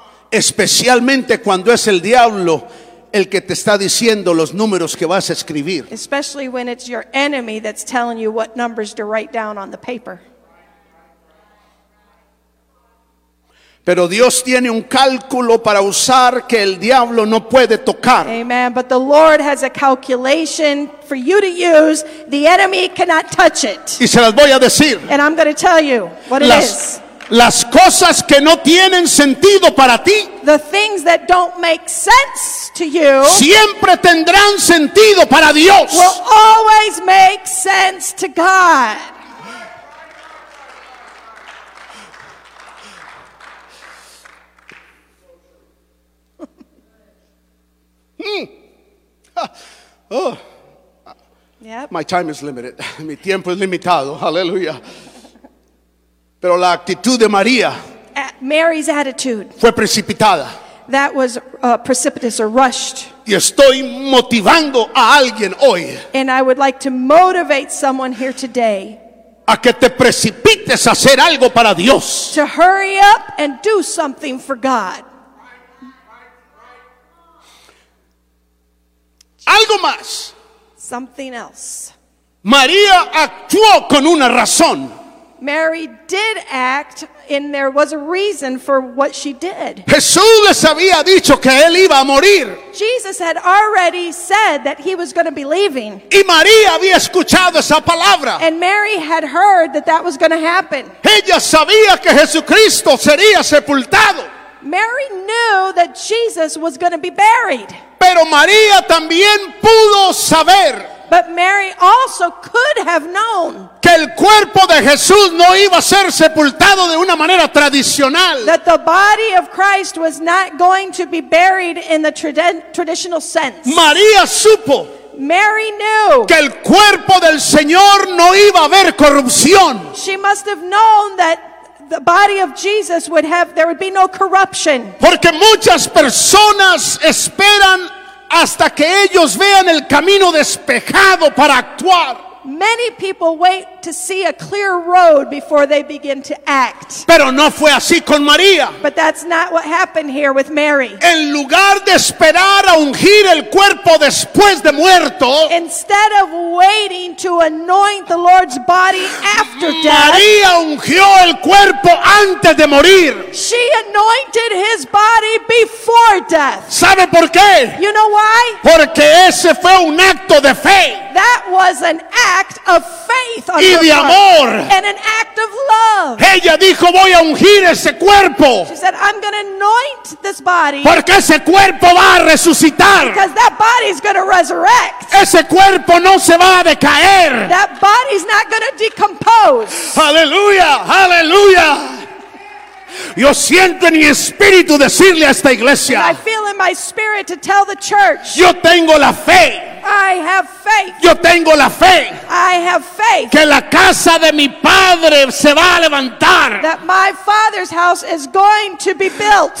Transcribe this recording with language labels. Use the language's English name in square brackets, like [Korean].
[Spanish] Especialmente cuando es el diablo el que te está diciendo los números que vas a escribir. [English] Especially when it's your enemy that's telling you what numbers to write down on the paper. [Spanish] Pero Dios tiene un cálculo para usar que el diablo no puede tocar. [English] Amen. But the Lord has a calculation for you to use. The enemy cannot touch it. [Spanish] Y se las voy a decir. [English] And I'm going to tell you what it is. [Spanish] Las cosas que no tienen sentido para ti. [English] The things that don't make sense to you. [Spanish] Siempre tendrán sentido para Dios. [English] Will always make sense to God. Oh. Yep. My time is limited. [Spanish] Mi tiempo es limitado. [English] Hallelujah. [Spanish] Pero la actitud de María, [English] Mary's attitude, [Spanish] fue precipitada. [English] That was precipitous or rushed. [Spanish] Y estoy motivando a alguien hoy. [English] And I would like to motivate someone here today. [Spanish] A que te precipites a hacer algo para Dios. [English] To hurry up and do something for God. [Spanish] Algo más. [English] Something else. [Spanish] María actuó con una razón. [English] Mary did act, and there was a reason for what she did. [Spanish] Jesús les había dicho que él iba a morir. [English] Jesus had already said that he was going to be leaving. [Spanish] Y María había escuchado esa palabra. [English] And Mary had heard that that was going to happen. [Spanish] Ella sabía que Jesucristo sería sepultado. [English] Mary knew that Jesus was going to be buried. [Spanish] Pero María también pudo saber. [English] But Mary also could have known [Spanish] que el cuerpo de Jesús no iba a ser sepultado de una manera tradicional. [English] That the body of Christ was not going to be buried in the traditional sense. [Spanish] María supo. [English] Mary knew [Spanish] que el cuerpo del Señor no iba a haber corrupción. [English] She must have known that the body of Jesus would have, there would be no corruption. [Spanish] Porque muchas personas esperan hasta que ellos vean el camino despejado para actuar. [English] Many people wait to see a clear road before they begin to act. [Spanish] Pero no fue así con María. [English] But that's not what happened here with Mary. [Spanish] En lugar de esperar a ungir el cuerpo después de muerto, [English] instead of waiting to anoint the Lord's body after death, [Spanish] María ungió el cuerpo antes de morir. [English] She anointed his body before death. [Spanish] ¿Sabe por qué? [English] You know why? [Spanish] Porque ese fue un acto de fe. [English] That was an act of faith on [Spanish] y [English] her [Spanish] de amor. [English] Part, and an act of love. [Spanish] Ella dijo, voy a ungir ese cuerpo. [English] She said, I'm going to anoint this body. [Spanish] Porque ese cuerpo va a resucitar. [English] Because that body is going to resurrect. [Spanish] Ese cuerpo no se va a decaer. [English] That body is not going to decompose. [Spanish] Aleluya, aleluya. Yo siento en mi espíritu decirle a esta iglesia, [English] I feel in my spirit to tell the church, [Spanish] yo tengo la fe. [English] I have faith. [Spanish] Yo tengo la fe. [English] I have faith. [Spanish] Que la casa de mi padre se va a levantar. [English] That my father's house is going to be built.